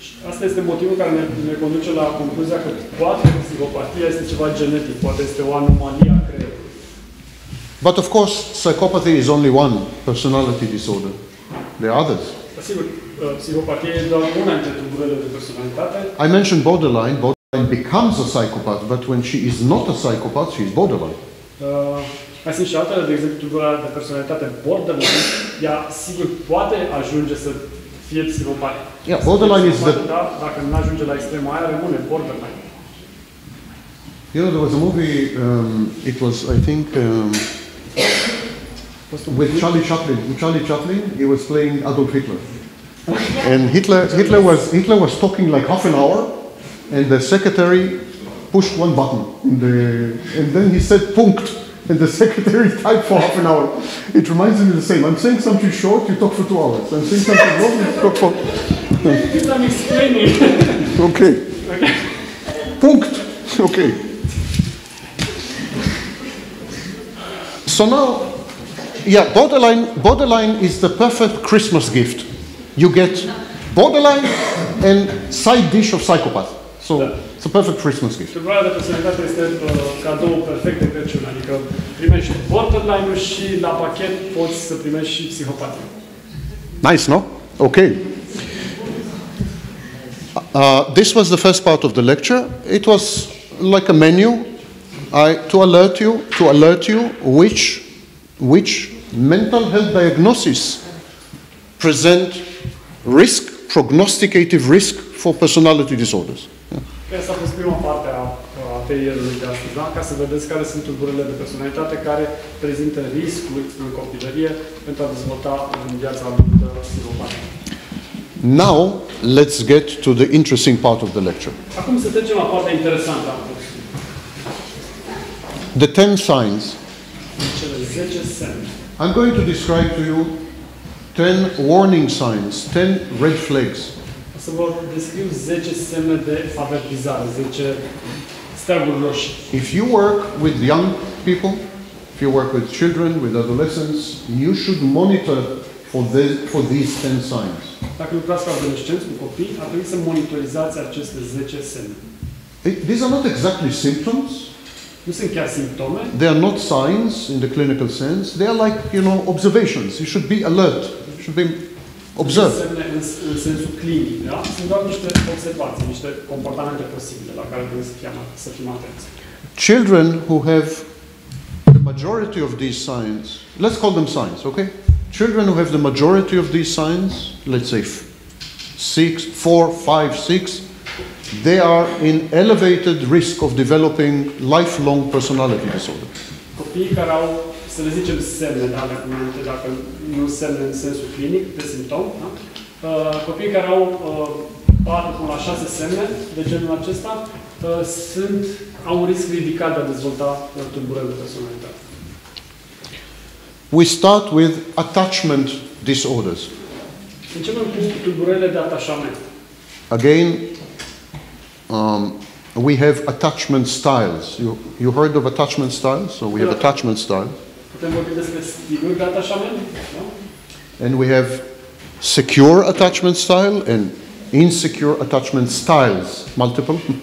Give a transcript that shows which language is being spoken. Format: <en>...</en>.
<ro>Asta este motivul care ne conduce la concluzia că poate psihopatia este ceva genetic, poate este o anomalie a creierului.</ro> <en>But of course, psychopathy is only one personality disorder. There are others.</en> <ro>Sigur, psihopatia este doar una dintre tulburările de personalitate.</ro> <en>I mentioned borderline. Borderline becomes a psychopath, but when she is not a psychopath, she is borderline.</en> <ro>Mai sunt și altele, de exemplu, tulburările de personalitate borderline. Ea, sigur, poate ajunge să fie psihopatie.</ro> <en>Yeah, borderline is the.</en> <ro>Dacă nu ajunge la extrema aia, rămâne borderline.</ro> <en>You know, there was a movie. It was, I think, with Charlie Chaplin. With Charlie Chaplin, he was playing Adolf Hitler. And Hitler was talking like half an hour, and the secretary pushed one button in the, and then he said punkt, and the secretary typed for half an hour. It reminds me of the same. I'm saying something short, you talk for 2 hours. I'm saying something long, you talk for. I'm explaining. Okay. Punkt. Okay. So now, yeah, borderline is the perfect Christmas gift. You get borderline and side dish of psychopath. So it's a perfect Christmas gift.</en> <ro>Tulburarea de personalitate este cadou perfect de Crăciun. Adică primești borderline-ul și la pachet poți să primești și psihopatia.</ro> <en>Nice, no? Okay. This was the first part of the lecture. It was like a menu to alert you which mental health diagnosis present risk, prognosticative risk for personality disorders. Yeah.</en> <ro>Asta a fost prima parte a ATL-ului de astăzi, da? Ca să vedeți care sunt tulburările de personalitate care prezintă riscuri în copilărie pentru a dezvolta în viața adultă psihopatie.</ro> <en>Now, let's get to the interesting part of the lecture.</en> <ro>Acum să trecem la partea interesantă.</ro> <en>The 10 signs.</en> <ro>Cele 10 semne.</ro> <en>I'm going to describe to you 10 warning signs, 10 red flags.</en> <ro>O să vă descriu 10 semne de avertizare, 10 steaguri roșii.</ro> <en>If you work with young people, if you work with children, with adolescents, you should monitor for these 10 signs.</en> <ro>Dacă lucrați cu adolescenți, cu copii, ar trebui să monitorizați aceste 10 semne.</ro> <en>These are not exactly symptoms.</en> <ro>Nu sunt chiar simptome.</ro> <en>They are not signs in the clinical sense. They are like, you know, observations. You should be alert. You should be observed.</en> <ro>Semne în sensul clinic, da? Sunt doar niște observații, niște comportamente posibile la care trebuie să fim atenți.</ro> <en>Children who have the majority of these signs, let's call them signs, okay? Children who have the majority of these signs, let's say 6, 4, 5, 6, they are in elevated risk of developing lifelong personality disorder.</en> <ro>Copiii care au, să le zicem, semne, da, dacă nu semne în sensul clinic, de simptom, da? Copiii care au 4 până la 6 semne de genul acesta sunt, au un risc ridicat de a dezvolta tulburări de personalitate.</ro> <en>We start with attachment disorders.</en> <ro>Începem cu tulburările de atașament.</ro> <en>Again, we have attachment styles. You heard of attachment styles? So we have attachment styles.</en> <ro>Putem vorbi despre stiluri de atașament, da?</ro> <en>And we have secure attachment style and insecure attachment styles, multiple.</en>